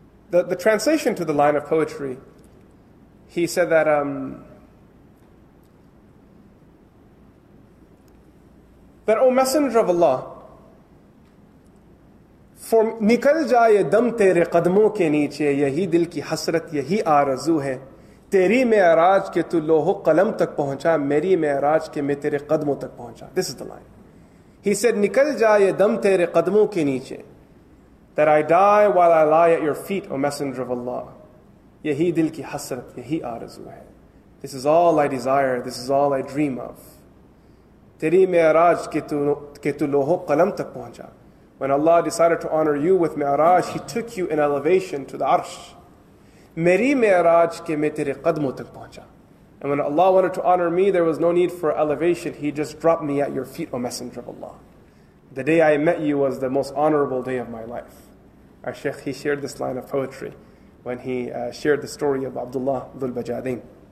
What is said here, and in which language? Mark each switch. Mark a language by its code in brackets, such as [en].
[en] The translation to the line of poetry, he said that that, O Messenger of Allah, for [ur] nikal jaye dam tere qadmon ke niche yahi dil ki hasrat yahi aarzu hai تیری معراج کے تو لوح و قلم تک پہنچا, میری معراج کے میں تیرے قدموں تک پہنچا. [en] This is the line. He said [ur] نکل جا یہ دم تیرے قدموں کے نیچے. [en] That I die while I lie at your feet, O Messenger of Allah. [ur] یہی دل کی حسرت, یہی آرزو ہے. [en] This is all I desire, this is all I dream of. [ur] تیری معراج کے تو لوح و قلم تک پہنچا. [en] When Allah decided to honor you with معراج, He took you in elevation to the عرش. [ur] میری معراج کے میں تیرے قدموں تک پہنچا. [en] And when Allah wanted to honor me, there was no need for elevation. He just dropped me at your feet, O Messenger of Allah. The day I met you was the most honorable day of my life. Our Sheikh, he shared this line of poetry when he shared the story of Abdullah Dhul Bajadin.